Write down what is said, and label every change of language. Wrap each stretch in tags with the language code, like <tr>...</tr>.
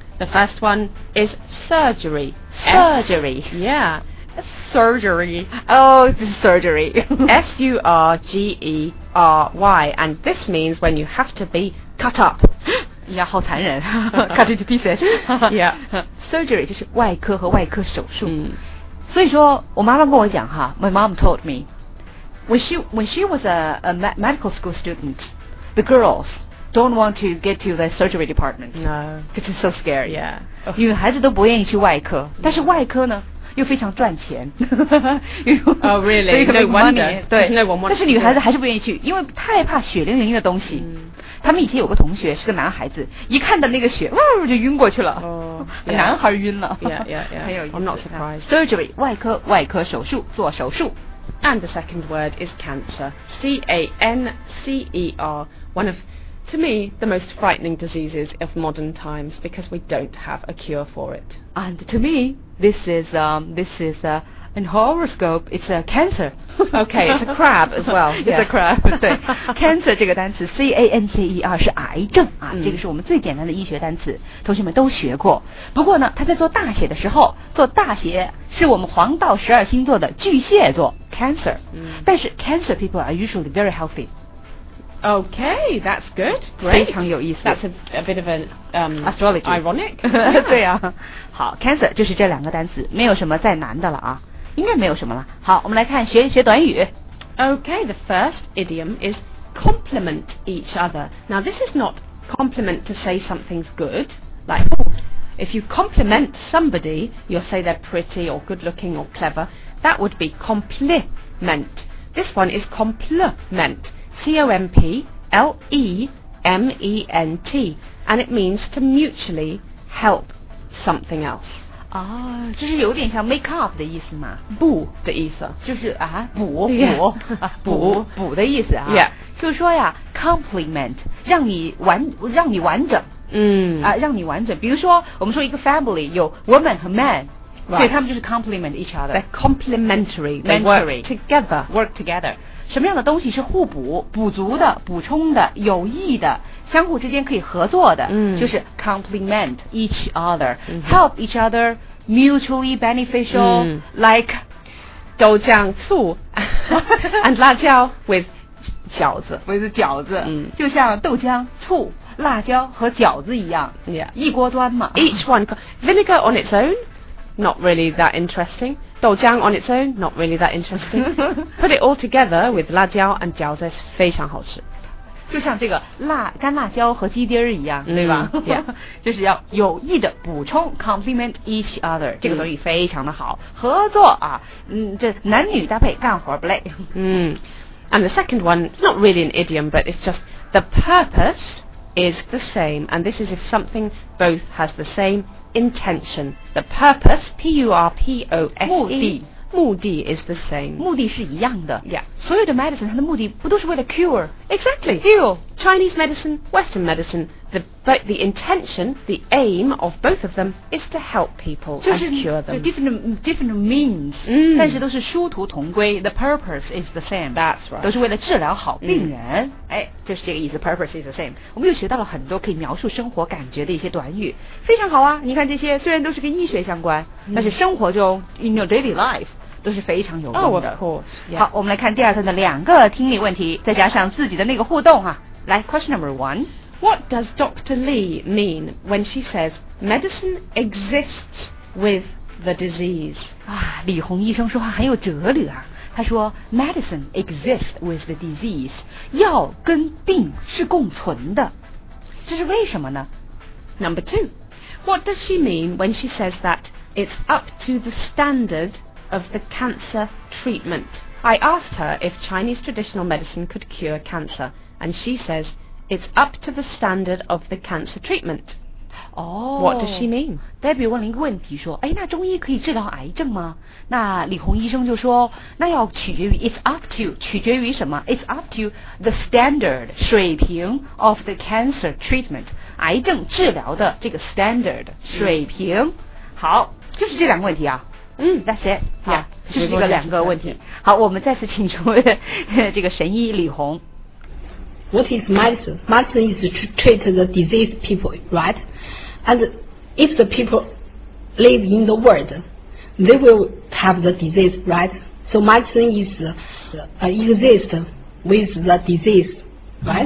<en>The first one is surgery. Surgery. Yeah. Surgery. Oh, this is surgery. S-U-R-G-E-R-Y. And this means when you have to be cut up. Yeah,</en> <zh>好残忍</zh> <en>Cut into pieces. Yeah.</en> <zh>Surgery 就是外科和外科手术。Mm. 所以说我妈妈跟我讲哈</zh> <en>My mom told me. When she was a medical school student, the girls... Don't want to get to the surgery department. No. Because it's so scary. Yeah.</en> <zh>因为孩子都不愿意去外科。但是外科呢又非常赚钱。</zh> <en>Oh, really? No wonder.</en> <zh>对。</zh> <en>No one wants to.</en> <zh>但是女孩子还是不愿意去因为太怕血淋淋的东西。他们以前有个同学是个男孩子一看到那个血哇就晕过去了。</zh> <en>Oh, yeah.</en> <zh>男孩晕了。</zh> <en>Yeah. Yeah, yeah. I'm not surprised.</en> <zh>Surgery, 外科手术做手术。</zh> <en>And the second word is cancer. C-A-N-C-E-R. One of... To me, the most frightening diseases of modern times because we don't have a cure for it. And to me, this is an horoscope. It's a cancer. Okay, it's a crab as well. It's a crab.</en> <zh>对 cancer 这个单词 C-A-N-C-E-R 是癌症啊、这个是我们最简单的医学单词，同学们都学过。不过呢，它在做大写的时候，做大写是我们黄道十二星座的巨蟹座 cancer.、但是</zh> <en>cancer people are usually very healthy. Okay, that's good. Great.</en> <zh>非常有意思。</zh> <en>That's a bit of an astrology. Ironic.</en> <zh>对啊。好 ,cancer 就是这两个单词没有什么再难的了啊。应该没有什么了。好我们来看学短语。</zh> <en>Okay, the first idiom is compliment each other. Now, this is not compliment to say something's good. Like, if you compliment somebody, you'll say they're pretty or good looking or clever. That would be compliment. This one is compliment. C-O-M-P-L-E-M-E-N-T and it means to mutually help something else</en> <zh>啊就是有点像</zh> <en>make up</en> <zh>的意思吗补的意思就是啊补补补的意思啊、</zh> <en>yeah.</en> <zh>就是说呀 compliment 让你完整嗯啊让你完整比如说我们说一个 family 有 woman 和 man</zh> <en>Right.</en> <zh>所以他们就是</zh> <en>complement each other They're complementary They work together</en> <zh>什么样的东西是互补补足的补充的有益的相互之间可以合作的、就是</zh> <en>complement each other、 help each other mutually beneficial、like</en> <zh>豆浆醋 and 辣椒 with 饺子就像豆浆醋辣椒和饺子一样、</zh> <en>yeah.</en> <zh>一锅端嘛</zh> <en>each one vinegar on its ownNot really that interesting. 豆浆 on its own, not really that interesting. Put it all together with 辣椒 and</en> <zh>饺子非常好吃。就像这个干辣椒和鸡丁一样、对吧、</zh> <en>yeah.</en> <zh>就是要有益的补充</zh> <en>complement each other.</en> <zh>这个东西非常的好。合作啊、这男女搭配干活不累。</zh> <en>And the second one, not really an idiom, but it's just the purpose is the same. And this is if something both has the same,intention the purpose p-u-r-p-o-s-e</en> <zh>目的</zh> <en>is the same</en> <zh>目的是一样的</zh> <en>yeah</en> <zh>所有的 medicine 它的目的不都是为了 cure</zh> <en>exactly Chinese medicine western medicine the intention the aim of both of them is to help people、</en> <zh>就是、</zh> <en>and cure them different means、</en> <zh>但是都是殊途同归</zh> <en>the purpose is the same that's right</en> <zh>都是为了治疗好病人、就是这个意思</zh> <en>purpose is the same</en> <zh>我们又学到了很多可以描述生活感觉的一些短语非常好啊你看这些虽然都是跟医学相关、但是生活中</zh> <en>in your daily life</en> <zh>都是非常有用的、</zh> <en>of course, yeah.</en> <zh>好我们来看第二段的两个听力问题再加上自己的那个互动啊来 question number one</zh> <en>What does Dr. Lee mean when she says medicine exists with the disease</en> <zh>啊李红医生说话很有哲理啊他说</zh> <en>medicine exists with the disease</en> <zh>药跟病是共存的这是为什么呢</zh> <en>Number two What does she mean when she says that it's up to the standardof the cancer treatment. I asked her if Chinese traditional medicine could cure cancer, and she says, it's up to the standard of the cancer treatment. Oh, What does she mean?</en> <zh>Debbie 问了一个问题说哎，那中医可以治疗癌症吗那李红医生就说那要取决于 it's up to 取决于什么</zh> <en>it's up to the standard</en> <zh>水平</zh> <en>of the cancer treatment</en> <zh>癌症治疗的这个 standard 水平、好就是这两个问题啊</zh> <en>That's it. Yeah,</en> <zh>就是这个两个问题。好，我们再次请出这个神医李红。</zh> <en>what is medicine? Medicine is to treat the diseased people, right? And if the people live in the world, they will have the disease, right? So medicine is exist with the disease, right?</en>